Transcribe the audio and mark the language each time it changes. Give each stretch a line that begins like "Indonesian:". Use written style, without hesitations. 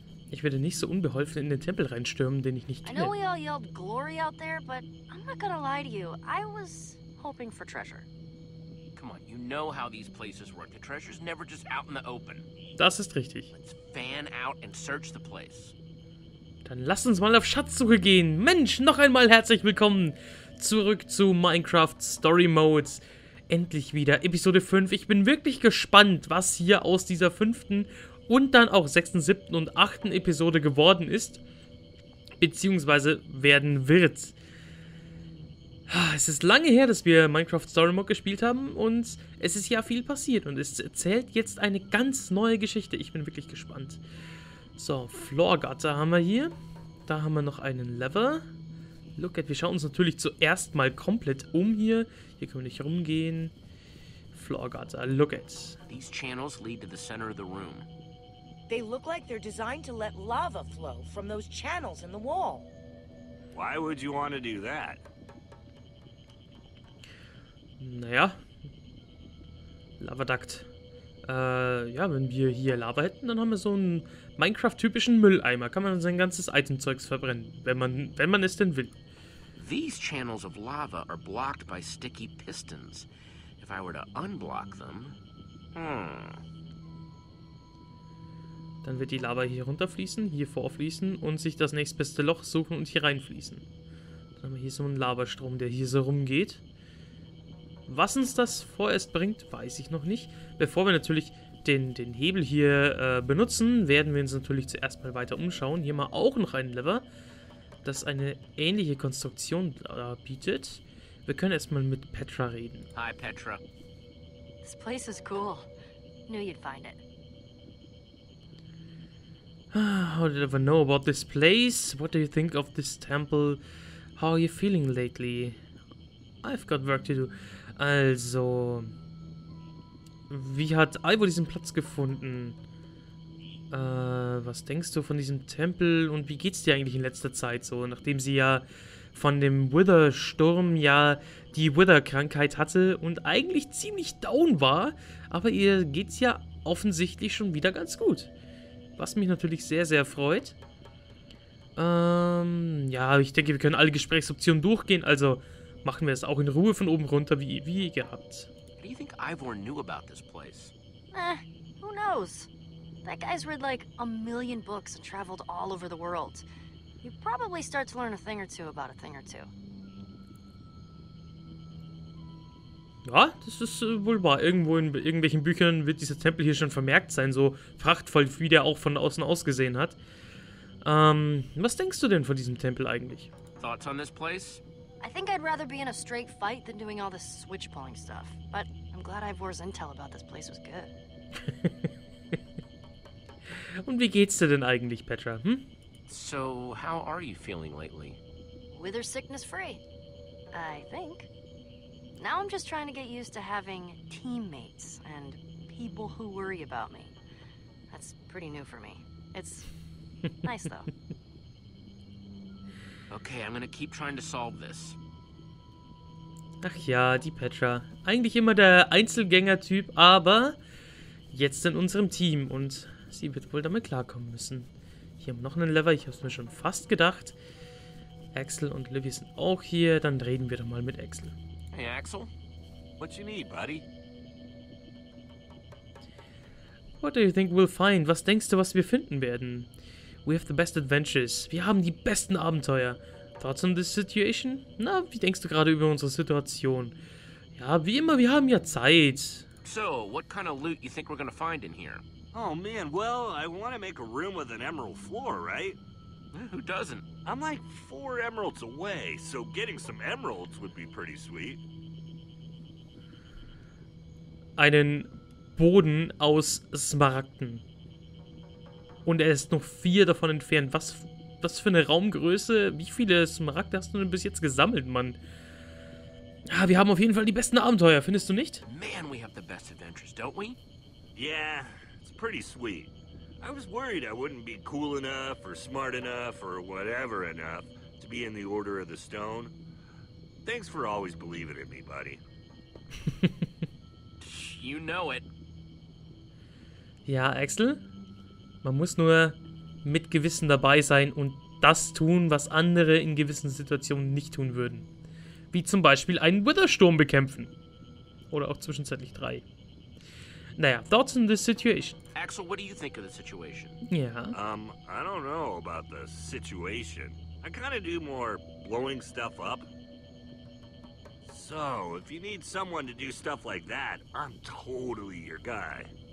German: Ich werde nicht so unbeholfen in den Tempel reinstürmen, den ich nicht kenne.
English: I know we all yelled glory out there, but I'm not gonna lie to you. I was... hoping for treasure. Come on, you know how these places work. The treasure's never just out in the open.
German: Das ist richtig.
English: Let's fan out and search the place.
German: Dann lass uns mal auf Schatzsuche gehen. Mensch, noch einmal herzlich willkommen zurück zu Minecraft Story Modes. Endlich wieder Episode 5. Ich bin wirklich gespannt, was hier aus dieser 5. und dann auch 6., 7. und 8. Episode geworden ist. Beziehungsweise werden wird. Es ist lange her, dass wir Minecraft Story Mode gespielt haben und es ist ja viel passiert und es erzählt jetzt eine ganz neue Geschichte. Ich bin wirklich gespannt. So, Floorgutter haben wir hier. Da haben wir noch einen Lever.
English: Look at,
German: wir schauen uns natürlich zuerst mal komplett um hier. Hier können wir nicht rumgehen.
English: Floorgutter, look at. These channels lead to the center of the room. They look like they're designed to let lava flow from those channels in the wall. Why would you want to do that?
German: Naja. Lavadukt. Ja, wenn wir hier Lava hätten, dann haben wir so einen Minecraft-typischen Mülleimer. Kann man sein ganzes Itemzeugs verbrennen, wenn man es denn will.
English: These channels of lava are blocked by sticky pistons. If I were to unblock them,
German: dann wird die Lava hier runterfließen, hier vorfließen und sich das nächstbeste Loch suchen und hier reinfließen. Dann haben wir hier so einen Lavastrom, der hier so rumgeht. Was uns das vorerst bringt, weiß ich noch nicht. Bevor wir natürlich den Hebel hier benutzen, werden wir uns natürlich zuerst mal weiter umschauen. Hier mal auch noch einen Lever, das eine ähnliche Konstruktion bietet. Wir können erstmal mit Petra reden. Hi Petra.
English: This place is cool. Knew you'd find it. How did I ever know about this place? What do you think of this temple? How are you feeling lately? I've got work to do.
German: Also, wie hat Ivo diesen Platz gefunden? Was denkst du von diesem Tempel und wie geht's dir eigentlich in letzter Zeit so, nachdem sie ja von dem Wither-Sturm ja die Wither-Krankheit hatte und eigentlich ziemlich down war, aber ihr geht's ja offensichtlich schon wieder ganz gut. Was mich natürlich sehr, sehr freut. Ja, ich denke, wir können alle Gesprächsoptionen durchgehen, also machen wir es auch in Ruhe von oben runter, wie gehabt.
English: Do you think Ivor knew about this place? Eh, who knows? That guy's read like a million books and traveled all over the world. You probably start to learn a thing or two about a thing or two.
German: Ja, das ist wohl wahr. Irgendwo in irgendwelchen Büchern wird dieser Tempel hier schon vermerkt sein, so prachtvoll, wie der auch von außen ausgesehen hat. Was denkst du denn von diesem Tempel eigentlich?
English: Thoughts on this place? I think I'd rather be in a straight fight than doing all this switch-pulling stuff. But I'm glad Ivor's intel about this place was good.
German: Und wie geht's dir denn eigentlich, Petra, hm?
English: So, how are you feeling lately? Wither sickness free, I think. Now I'm just trying to get used to having teammates and people who worry about me. That's pretty new for me. It's nice though. Okay, I'm gonna keep trying to solve this.
German: Ach ja, die Petra. Eigentlich immer der Einzelgänger-Typ, aber jetzt in unserem Team und sie wird wohl damit klarkommen müssen. Hier haben wir noch einen Lever, ich habe es mir schon fast gedacht. Axel und Livy sind auch hier, dann reden wir doch mal mit Axel.
English: Hey Axel, what you need, buddy? What do you think we'll find?
German: Was denkst du, was wir finden werden?
English: We have the best adventures.
German: Wir haben die besten Abenteuer.
English: Thoughts on this situation?
German: Na, wie denkst du gerade über unsere Situation? Ja, wie immer, wir haben ja Zeit.
English: So, what kind of loot you think we're gonna find in here? Oh man, well, I want to make a room with an emerald floor, right? Who doesn't? I'm like 4 emeralds away, so getting some emeralds would be pretty sweet.
German: Einen Boden aus Smaragden. Und er ist noch 4 davon entfernt. Was für eine Raumgröße? Wie viele Smaragde hast du denn bis jetzt gesammelt, Mann? Ja, wir haben auf jeden Fall die besten Abenteuer, findest du nicht?
English: Man, we have the best adventures, don't we? Yeah, it's pretty sweet. I was worried I wouldn't be cool enough or smart enough or whatever enough to be in the Order of the Stone. Thanks for always believing in me, buddy. You know it.
German: Ja, Axel? Man muss nur mit Gewissen dabei sein und das tun, was andere in gewissen Situationen nicht tun würden. Wie zum Beispiel einen Wither-Sturm bekämpfen. Oder auch zwischenzeitlich 3.
English: Naja, thoughts on this situation. Axel, what do you think of the situation?
German: Ja.
English: I don't know about the situation. I kind of do more blowing stuff up. So, if you need someone to do stuff like that, I'm totally your guy.